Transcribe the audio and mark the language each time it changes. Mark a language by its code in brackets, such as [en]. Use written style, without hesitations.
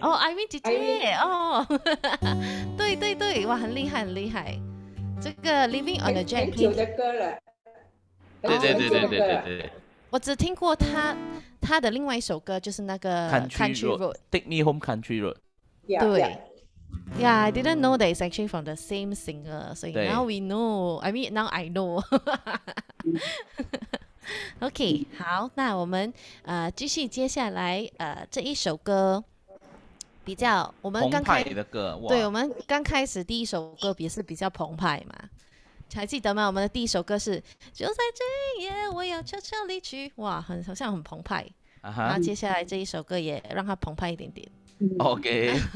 [zh] 哦 ，Irene 姐姐。哦，对对对，哇，很厉害，很厉害。这个 Living on the Jacqueline 很久的歌了。对对对对对对对。我只听过他的另外一首歌，就是那个 [en] Country Road， Take Me Home Country Road。 Yeah, [zh] 对 [en] yeah. ，Yeah， I didn't know that it's actually from the same singer， [zh] 所以 [en] now we know， I mean now I know 。OK， [zh] 好，那我们继续接下来这一首歌比较我们刚开始的歌，对我们刚开始第一首歌也是比较澎湃嘛。还记得吗？我们的第一首歌是《就在这夜，我要悄悄离去》。哇，很好像很澎湃。啊哈！那接下来这一首歌也让它澎湃一点点。 OK。